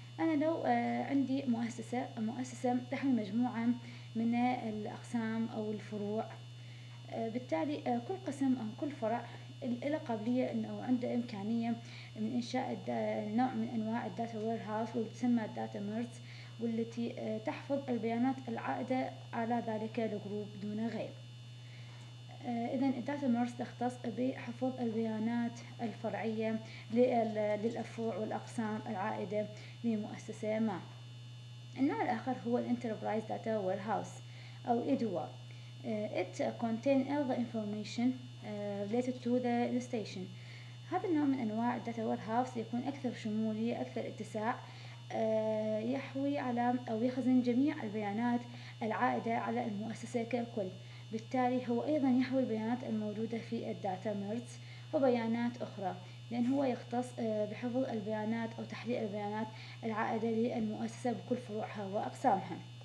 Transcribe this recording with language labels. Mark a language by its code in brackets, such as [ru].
[ar] أنا لو عندي مؤسسة تحمي مجموعة من الأقسام أو الفروع، بالتالي كل قسم أو كل فرع له قابلية أو عنده إمكانية من إنشاء نوع من أنواع الداتا ويرهاوس واللي تسمى الداتا ميرت، والتي تحفظ البيانات العائدة على ذلك الجروب دون غير. إذن الداتا ميرت تختص بحفظ البيانات الفرعية للفروع والأقسام العائدة لمؤسسة ما. النوع الآخر هو الانتربرايز داتا ويرهاوس أو إدوا. [en] It contains all the information related to the station. [ar] هذا النوع من أنواع الداتا ويرهاوس يكون أكثر شمولية، أكثر اتساع، يحوي على أو يخزن جميع البيانات العائدة على المؤسسة ككل. بالتالي هو أيضا يحوي البيانات الموجودة في الداتا ميرت وبيانات أخرى، لأن هو يختص بحفظ البيانات أو تحليل البيانات العائدة للمؤسسة بكل فروعها وأقسامها.